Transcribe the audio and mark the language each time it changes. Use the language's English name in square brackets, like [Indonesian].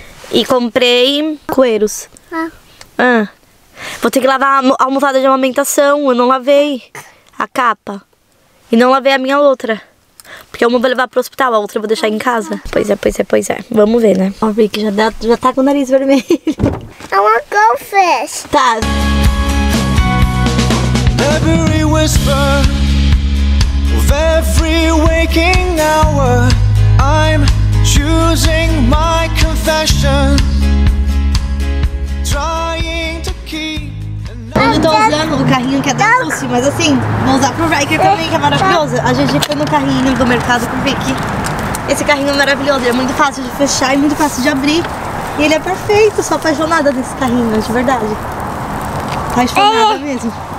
[Portuguese] E comprei cueiros. Vou ter que lavar a almofada de amamentação. Eu não lavei a capa. E não lavei a minha outra. Porque uma eu vou levar pro hospital, a outra eu vou deixar em casa. Pois é, pois é, pois é. Vamos ver, né? Ó, Rick, já tá com o nariz vermelho. [English] I want to go fish. [Portuguese] Tá. [English] Every whisper of every waking hour, I'm choosing my confession. Trying to keep. [Portuguese] Eu tô usando o carrinho que é da Lucy, mas assim, vou usar pro Riker também, que é maravilhoso. A gente foi no carrinho do mercado com o Vicky. Esse carrinho é maravilhoso, ele é muito fácil de fechar e muito fácil de abrir. E ele é perfeito, sou apaixonada desse carrinho, de verdade. Apaixonada mesmo.